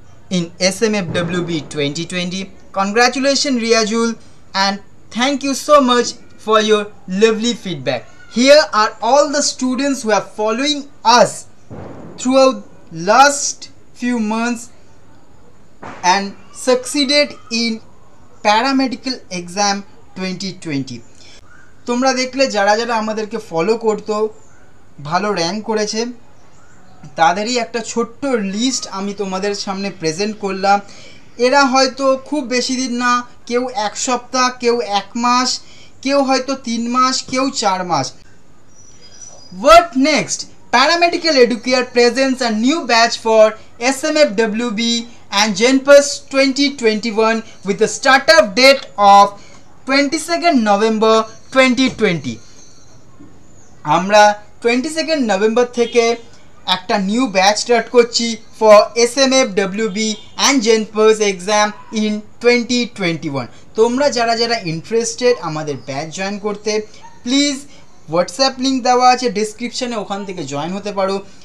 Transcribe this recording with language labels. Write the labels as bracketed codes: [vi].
[en] in SMFWB 2020. Congratulations, Riazul, and thank you so much for your lovely feedback. Here are all the students who are following us throughout last few months and succeeded in paramedical exam 2020. [bn] তোমরা দেখলে যারা যারা আমাদেরকে follow করতো, ভালো rank করেছে, তাদেরই একটা ছোট্ট লিস্ট আমি তোমাদের সামনে প্রেজেন্ট করলাম। এরা হয়তো খুব বেশি দিন না, কেউ এক সপ্তাহ, কেউ এক মাস, কেউ হয়তো তিন মাস, কেউ চার মাস। [en] What next? Paramedical Educator presents a new batch for SMFWB and Jenpas 2021 with the startup date of 22nd November 2020. [bn] আমরা 22nd November থেকে একটা নিউ ব্যাচ স্টার্ট করছি [en] For SMFWB and Jenpas exam in 2021. [bn] তোমরা যারা যারা ইন্টারেস্টেড আমাদের batch join করতে, please WhatsApp link দেওয়া আছে ডিসক্রিপশনে, ওখান থেকে জয়েন হতে পারো।